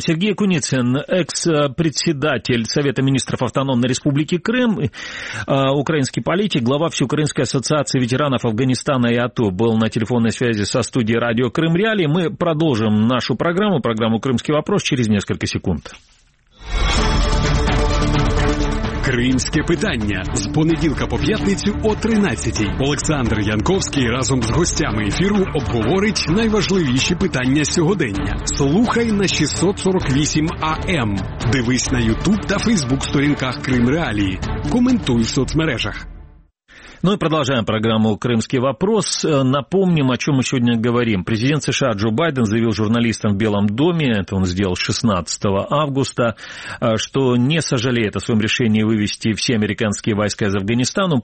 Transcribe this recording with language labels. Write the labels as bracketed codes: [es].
[ru] Сергей Куницын, экс-председатель Совета министров Автономной Республики Крым, украинский политик, глава Всеукраинской ассоциации ветеранов Афганистана и АТО, был на телефонной связи со студией радио «Крым Реали». Мы продолжим нашу программу, «Крымский вопрос» через несколько секунд. [uk] Кримське питання з понеділка по п'ятницю о 13:00. Олександр Янковський разом з гостями ефіру обговорить найважливіші питання сьогодення. Слухай на 648 АМ. Дивись на YouTube та Facebook сторінках Крим Реалії. Коментуй в соцмережах. [ru] Ну и продолжаем программу «Крымский вопрос». Напомним, о чем мы сегодня говорим. Президент США Джо Байден заявил журналистам в Белом доме, это он сделал 16 августа, что не сожалеет о своем решении вывести все американские войска из Афганистана.